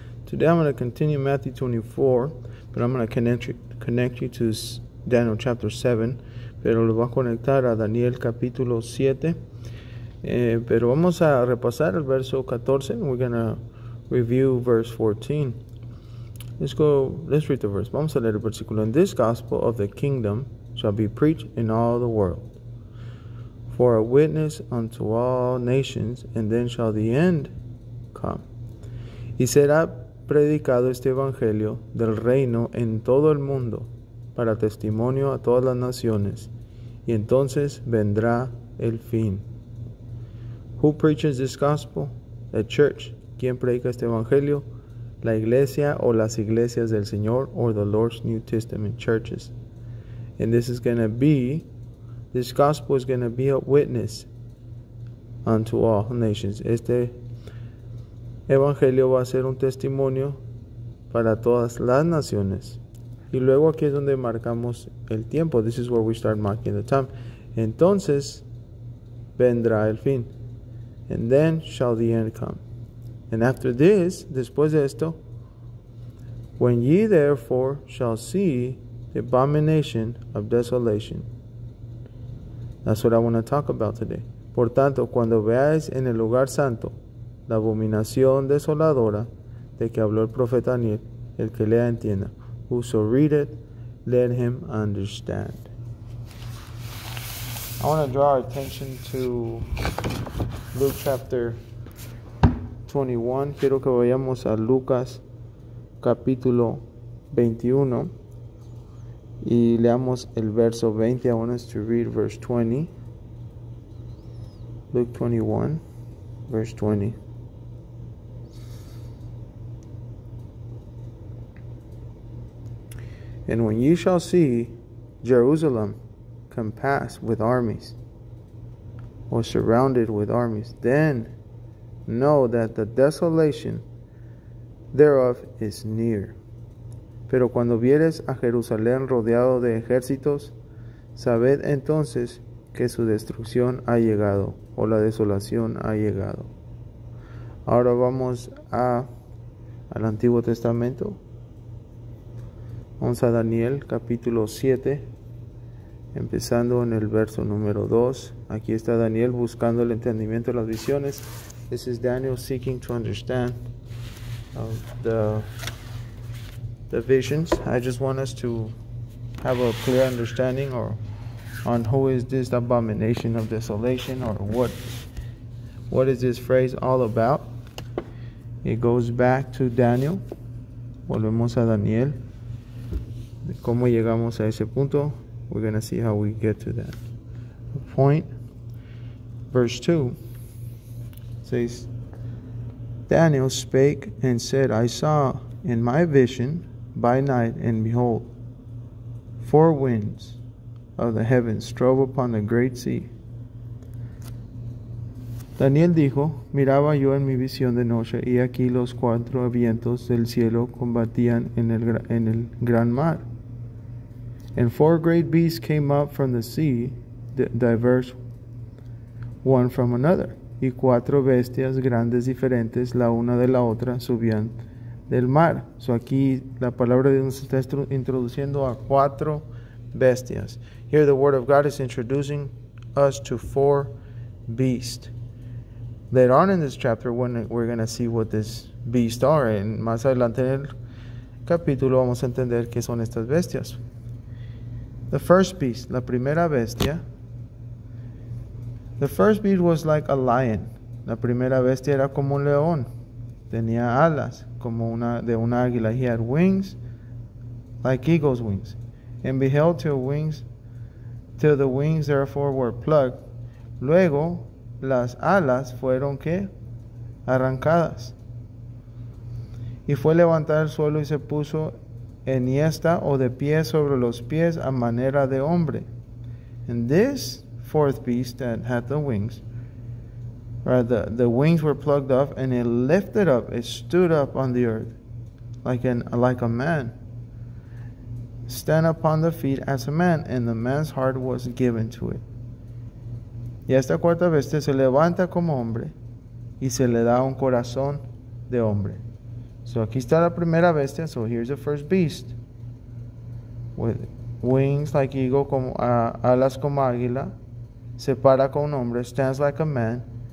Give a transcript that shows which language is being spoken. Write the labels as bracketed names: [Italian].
[English] Today I'm going to continue Matthew 24, but I'm going to connect you to Daniel chapter 7. [Spanish] Pero lo voy a conectar a Daniel capítulo 7. Pero vamos a repasar el verso 14. [English] We're going to review verse 14. Let's read the verse. [Spanish] Vamos a leer el versículo. [English] And this gospel of the kingdom shall be preached in all the world for a witness unto all nations, and then shall the end come. [Spanish] Y será predicado este evangelio del reino en todo el mundo para testimonio a todas las naciones, y entonces vendrá el fin. [English] Who preaches this gospel? The church. [Spanish] ¿Quién predica este evangelio? La iglesia o las iglesias del Señor, [English] or the Lord's New Testament churches. And this is going to be, this gospel is going to be a witness unto all nations. [Spanish] Este evangelio va a ser un testimonio para todas las naciones. Y luego aquí es donde marcamos el tiempo. [English] This is where we start marking the time. [Spanish] Entonces, vendrá el fin. [English] And then shall the end come. And after this, [Spanish] después de esto, [English] when ye therefore shall see the abomination of desolation. That's what I want to talk about today. [Spanish] Por tanto, cuando veáis en el lugar santo la abominación desoladora de que habló el profeta Daniel, el que lea entienda. [English] Whoso read it, let him understand. I want to draw our attention to Luke chapter 21. [Spanish] Quiero que vayamos a Lucas capítulo 21. Y leamos el verso 20. [English] I want us to read verse 20. Luke 21, verse 20. And when ye shall see Jerusalem compassed with armies, or surrounded with armies, then know that the desolation thereof is near. [Spanish] Pero cuando vieres a Jerusalén rodeado de ejércitos, sabed entonces que su destrucción ha llegado, o la desolación ha llegado. Ahora vamos al Antiguo Testamento. Vamos a Daniel capítulo 7, empezando en el verso número 2. Aquí está Daniel buscando el entendimiento de las visiones. [English] This is Daniel seeking to understand of the visions. I just want us to have a clear understanding on who is this abomination of desolation, or what is this phrase all about. It goes back to Daniel. [Spanish] Volvemos a Daniel. ¿Cómo llegamos a ese punto? [English] We're going to see how we get to that point. Verse 2 says, Daniel spake and said, I saw in my vision by night, and behold, four winds of the heavens drove upon the great sea. [Spanish] Daniel dijo, miraba yo en mi visión de noche, y aquí los cuatro vientos del cielo combatían en el gran mar. [English] And four great beasts came up from the sea, diverse one from another. [Spanish] Y cuatro bestias grandes diferentes, la una de la otra, subían del mar. So aquí la palabra de Dios está introduciendo a cuatro bestias. [English] Here the word of God is introducing us to four beasts. Later on in this chapter, we're going to see what these beasts are. [Spanish] And más adelante en el capítulo vamos a entender qué son estas bestias. [English] The first beast, [Spanish] la primera bestia. [English] The first beast was like a lion. [Spanish] La primera bestia era como un león. Tenía alas como una de un águila. [English] He had wings like eagle's wings. And beheld till the wings therefore were plucked. [Spanish] Luego las alas fueron que arrancadas. Y fue levantado el suelo y se puso en hiesta o de pie sobre los pies a manera de hombre. [English] And this fourth beast that had the wings, right, the wings were plucked off, and it lifted up, it stood up on the earth like a man, stand upon the feet as a man, and the man's heart was given to it. [Spanish] Y esta cuarta bestia se levanta como hombre y se le da un corazón de hombre. [English] So [Spanish] aquí está la primera bestia. [English] So here's the first beast. With wings like eagle, [Spanish] como, alas como águila. Se para como un hombre, [English] stands like a man.